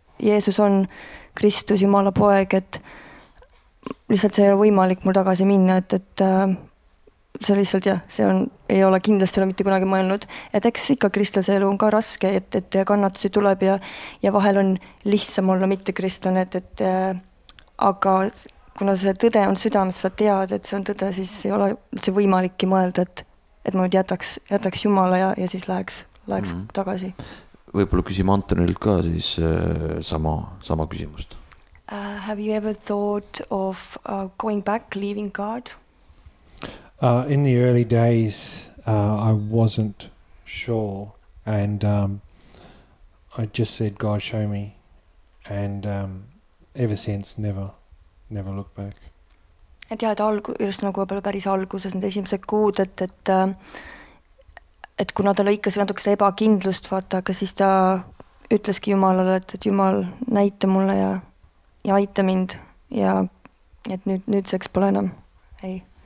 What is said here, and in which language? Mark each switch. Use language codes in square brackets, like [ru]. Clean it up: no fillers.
[et] Jeesus on Kristus, Jumala poeg, et lihtsalt see ei ole võimalik mul tagasi minna, et see lihtsalt jah, see on, ei ole kindlasti ole mitte kunagi mõelnud, et eks ikka kristlase elu on ka raske, et kannatusi tuleb ja vahel on lihtsam olla mitte kristlane, et aga kuna see tõde on südames, sa tead, et see on tõde, siis ei ole see võimalikki mõelda, et ma nüüd jätaks Jumala ja siis läheks tagasi. Võibolla küsima Antonilt ka siis sama küsimust. [en] Have you ever thought of going back, leaving God? In the early days, I wasn't sure, and I just said, God, show me, and ever since, never looked back. [et] Et jah, et just nagu päris alguses, need esimesed kuud, et kuna ta lõikas see natukese ebakindlust vaata, aga siis ta ütleski Jumalale, et Jumal näita mulle ja aita mind ja et nüüd seks pole enam, ei.